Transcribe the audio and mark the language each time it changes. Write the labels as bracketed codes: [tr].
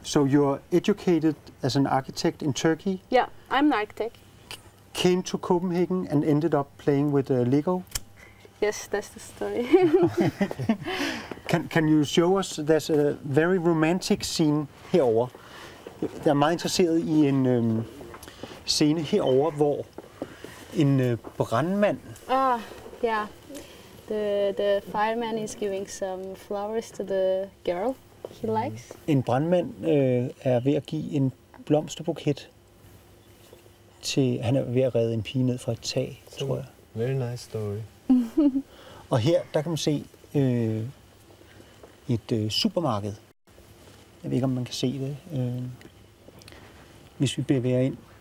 [en] So you're educated as an architect in Turkey? Yeah, I'm an architect. Came to Copenhagen and ended up playing with Lego. Yes, that's the story. Can you show us? There's a very romantic scene herover. [da] Jeg er meget interesseret i en scene herover, hvor en brandmand. [en] Ah, yeah. The fireman is giving some flowers to the girl he likes. [da] En brandmand er ved at give en blomsterbuket. Til, han er ved at redde en pige ned fra et tag, so, tror jeg. [en] Very nice story. [da] Og her, der kan man se et supermarked. Jeg ved ikke, om man kan se det. Hvis vi bevæger ind.